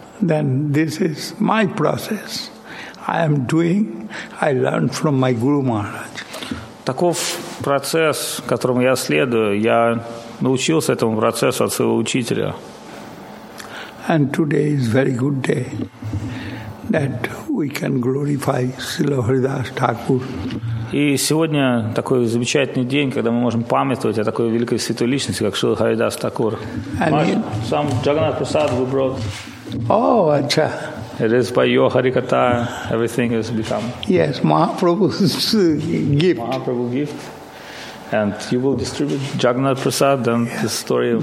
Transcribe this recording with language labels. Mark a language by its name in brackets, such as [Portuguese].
[English] Then this is my process. I am doing. I learned from my Guru Maharaj. [Russian] Таков процесс, которому я следую. Я научился этому процессу от своего учителя. [English] And today is very good day that we can glorify Srila Haridas Thakur. [Russian] И сегодня такой замечательный день, когда мы можем памятовать о такой великой святой личности, как Шрила Харидас Такур. Сам Джаганат Прасад вы брал. О, ача. [English] It is by your Harikata, everything is become. Yes, Mahaprabhu's gift. Mahaprabhu's gift. And you will distribute Jagannath Prasad, then yeah, the story of